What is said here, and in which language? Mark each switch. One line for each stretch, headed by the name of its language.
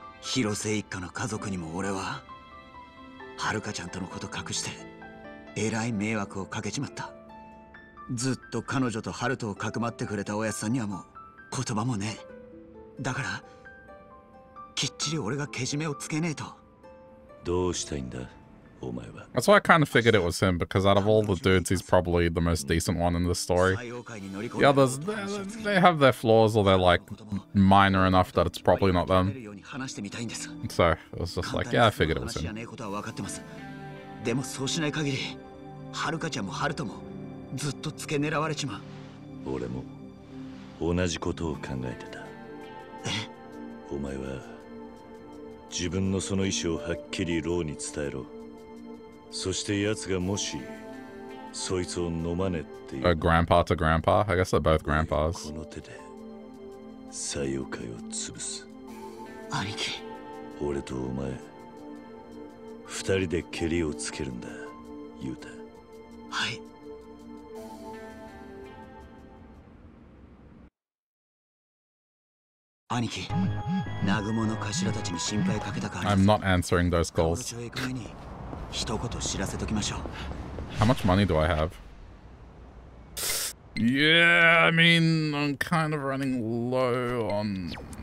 Japanese: 広瀬一家の家族にも俺ははるかちゃんとのこと隠してえらい迷惑をかけちまった。ずっと彼女と春人をかくまってくれたおやっさんにはもう言葉もねえ。だからきっちり俺がけじめをつけねえと。どうしたいんだ、お前は。
English: That's why I kind of figured it was him, because out of all the dudes, he's probably the most decent one in the story. The others, they have their flaws, or they're like minor enough that it's probably not them. So it was just like, yeah, I figured it was him.
Japanese: でもそうしない限り、はるかちゃんもはるともずっとつけ狙われちまう。俺も同じことを考えてた。え？お前は自分のその意思をはっきりローに伝えろ。そして奴がもしそいつを飲まねって言う。
English: A grandpa to grandpa? I guess they're both grandpas.
Japanese: この手で西洋会を潰す。兄貴、俺とお前二人で蹴りをつけるんだ、ユータ。はい。兄貴、南雲の頭たちに心配かけたから。
English: I'm not answering those calls.
Japanese: 一言知らせときましょう。
English: How much money do I have? Yeah, I mean, I'm kind of running low on.